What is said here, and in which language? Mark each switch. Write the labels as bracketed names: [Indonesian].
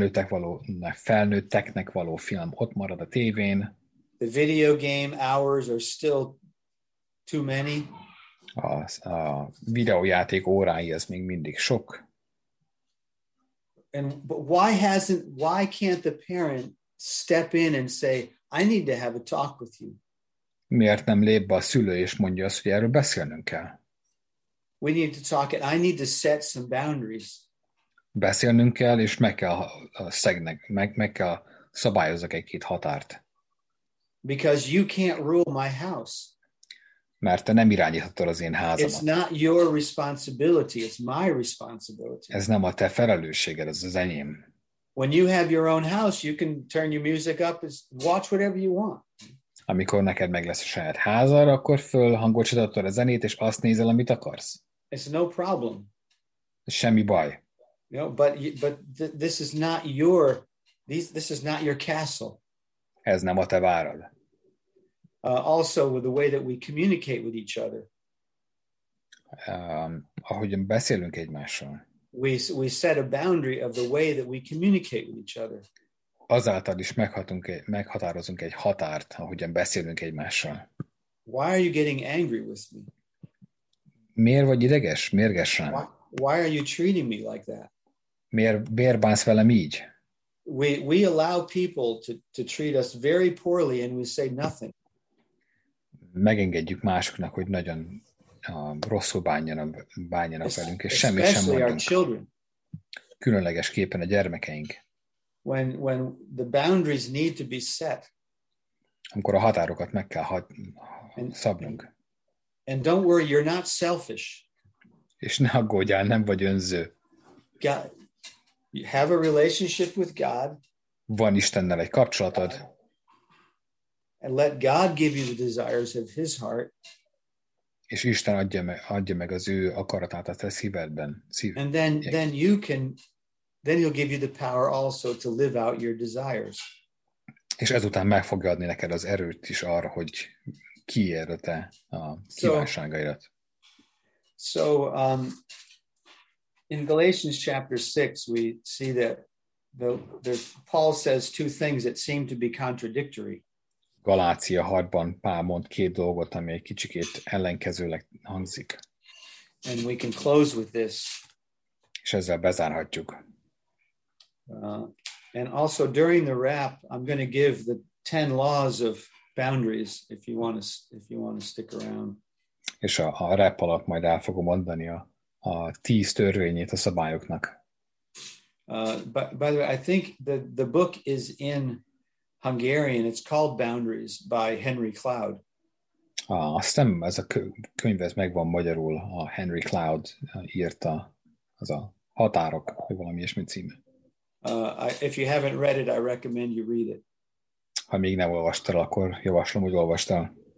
[Hungarian] A felnőtteknek való film ott marad a tévén. [English] The video game hours are still too many. [Hungarian] A videójáték órái az még mindig sok. [English] And but why can't the parent step in and say, I need to have a talk with you? [Hungarian] Miért nem lép be a szülő és mondja azt, hogy erről beszélnünk kell? [English] We need to talk it. I need to set some boundaries. [Hungarian] Beszélnünk kell, és meg kell szegnek, meg kell szabályozok egy-két határt. [English] Because you can't rule my house. [Hungarian] Mert te nem irányíthatod az én házamat. [English] It's not your responsibility, it's my responsibility. [Hungarian] Ez nem a te felelősséged, ez az enyém. [English] When you have your own house, you can turn your music up and watch whatever you want. [Hungarian] Amikor neked meg lesz a saját házad, akkor fölhangosítottad a zenét, és azt nézel, amit akarsz. [English] It's no problem. [Hungarian] Semmi baj. [English] No, but this is not your castle. [Hungarian] Ez nem a te várad. [English] Also with the way that we communicate with each other. [Hungarian] Ahogyan beszélünk egymással. [English] We set a boundary of the way that we communicate with each other. [Hungarian] Azáltal is meghatározunk egy határt, ahogyan beszélünk egymással. [English] Why are you getting angry with me? [Hungarian] Miért vagy ideges? Mérgesen? [English] Why are you treating me like that? [Hungarian] Miért bánsz velem így? [English] We allow people to treat us very poorly and we say nothing. [Hungarian] Megengedjük másoknak, hogy nagyon rosszul bánjanak velünk, és semmi sem mondjunk. [English] Children. [Hungarian] Különlegesképpen a gyermekeink. [English] When the boundaries need to be set. [Hungarian] Amikor a határokat meg kell szabnunk. [English] And don't worry, you're not selfish. [Hungarian] És ne aggódjál, nem vagy önző. [English] God, you have a relationship with God. [Hungarian] Van Istennel egy kapcsolatod. [English] And let God give you the desires of his heart. [Hungarian] És Isten adja meg az ő akaratát a te szívedben. [English] And then you can, then he'll give you the power also to live out your desires. [Hungarian] És ezután meg fogja adni neked az erőt is arra, hogy kiérd a te kívánságaidat. [English] So, in Galatians chapter 6, we see that Paul says two things that seem to be contradictory. [Hungarian] Galácia 6-ban Pál mond két dolgot, ami egy kicsikét ellenkezőleg hangzik. [English] And we can close with this. [Hungarian] És ezzel bezárhatjuk. [English] And also during the wrap, I'm going to give the 10 laws of boundaries if you want to stick around. [Hungarian] És a wrap alatt majd el fogom mondani a 10 törvényét a szabályoknak. [English] By the way, I think the book is in Hungarian. It's called Boundaries by Henry Cloud. [Hungarian] Aztán ez a könyv, ez megvan magyarul. A Henry Cloud írta az a Határok, vagy valami ilyesmi címe. [English] If you haven't read it, I recommend you read it. [Hungarian] Ha még nem olvastál, akkor javaslom, hogy olvastál.